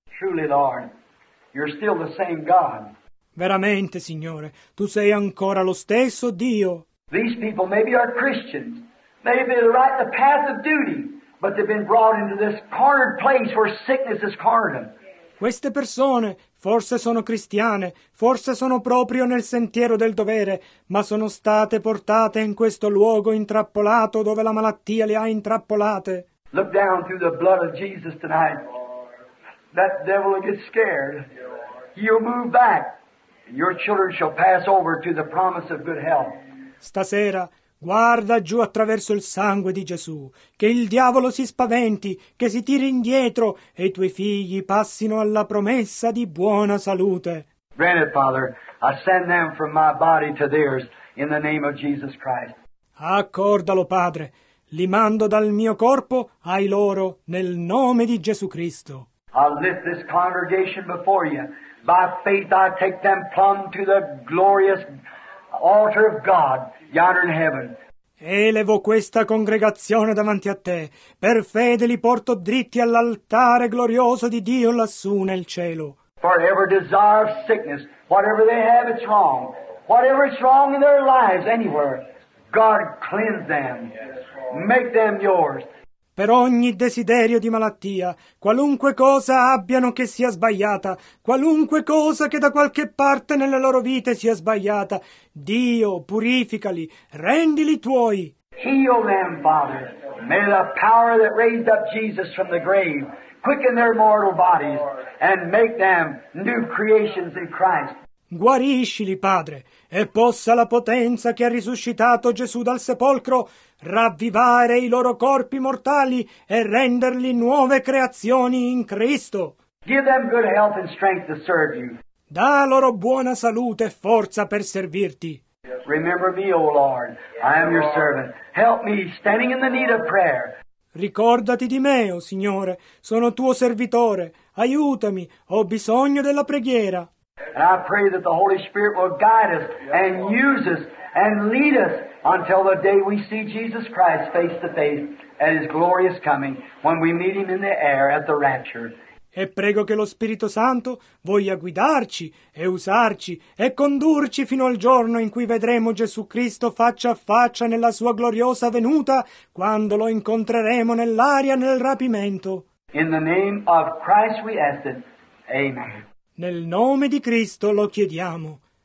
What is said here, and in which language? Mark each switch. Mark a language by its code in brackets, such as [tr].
[en] Truly, Lord, you're still the same God. [it] Veramente, Signore, tu sei ancora lo stesso Dio. [en] These people maybe are Christians, maybe they're right in the path of duty, but they've been brought into this cornered place where sickness has cornered them. [it] Queste persone forse sono cristiane, forse sono proprio nel sentiero del dovere, ma sono state portate in questo luogo intrappolato dove la malattia le ha intrappolate. [en] Look down through the blood of Jesus tonight. That devil will get scared. You'll move back. Your children shall pass over to the promise of good health. [it] Stasera guarda giù attraverso il sangue di Gesù, che il diavolo si spaventi, che si tiri indietro e i tuoi figli passino alla promessa di buona salute. [en] Granted, Father, I send them from my body to theirs in the name of Jesus Christ. [it] Accordalo, Padre, li mando dal mio corpo ai loro nel nome di Gesù Cristo. [en] I lift this congregation before you. By faith I take them plumb to the glorious altar of God. Yonder in heaven. [it] Elevo questa congregazione davanti a te. Per fede li porto dritti all'altare glorioso di Dio lassù nel cielo. [en] Forever desire sickness, whatever they have, it's wrong. Whatever is wrong in their lives, anywhere, God cleanse them. Make them yours. [it] Per ogni desiderio di malattia, qualunque cosa abbiano che sia sbagliata, qualunque cosa che da qualche parte nelle loro vite sia sbagliata, Dio, purificali, rendili tuoi. [en] Heal them, Father. May the power that raised up Jesus from the grave quicken their mortal bodies and make them new creations in Christ. [it] Guariscili, Padre, e possa la potenza che ha risuscitato Gesù dal sepolcro ravvivare i loro corpi mortali e renderli nuove creazioni in Cristo. [en] Give them good health and strength to serve you. [it] Da loro buona salute e forza per servirti. [en] Remember me, O Lord, I am your servant. Help me, standing in the need of prayer. [it] Ricordati di me, O Signore, sono tuo servitore. Aiutami, ho bisogno della preghiera. [en] And I pray that the Holy Spirit will guide us and use us and lead us until the day we see Jesus Christ face to face at His glorious coming, when we meet Him in the air at the rapture. [it] e prego che lo Spirito Santo voglia guidarci e usarci e condurci fino al giorno in cui vedremo Gesù Cristo faccia a faccia nella sua gloriosa venuta, quando lo incontreremo nell'aria nel rapimento. [en] In the name of Christ we ask it. Amen. [it] Nel nome di Cristo lo chiediamo.